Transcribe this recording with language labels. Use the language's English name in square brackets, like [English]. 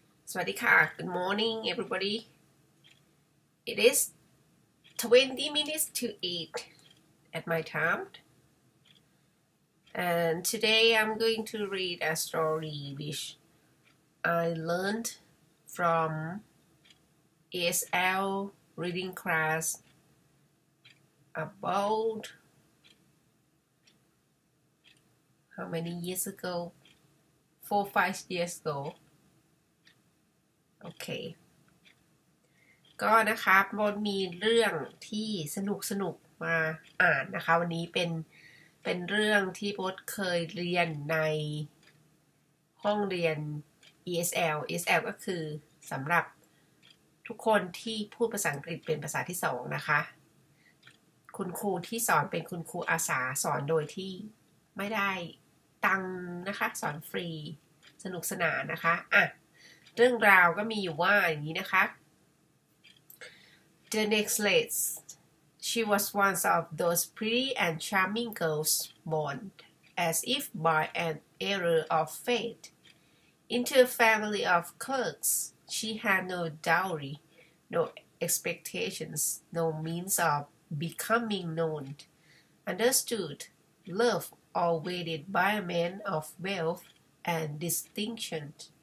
[Thai] สวัสดีค่ะ [English] Good morning everybody. It is 20 minutes to 8 at my time. And today I'm going to read a story which I learned from ESL reading class about how many years ago? 4-5 years ago. [Thai] โอเคก็นะคะบนมีเรื่องที่สนุกสนุกมาอ่านนะคะวันนี้เป็นเรื่องที่บดเคยเรียนใน ห้องเรียน ESL ESL ก็คือสำหรับทุกคนที่พูดภาษาอังกฤษเป็นภาษาที่สองนะคะ คุณครูที่สอนเป็นคุณครูอาสาสอนโดยที่ไม่ได้ตังค์นะคะสอนฟรีสนุกสนานนะคะอ่ะเรื่องราวก็มีอยู่ว่าอย่างนี้นะคะ [English] The next lady, she was one of those pretty and charming girls born as if by an error of fate. Into a family of clerks, she had no dowry, no expectations, no means of becoming known, understood, loved, or waited by a man of wealth and distinction.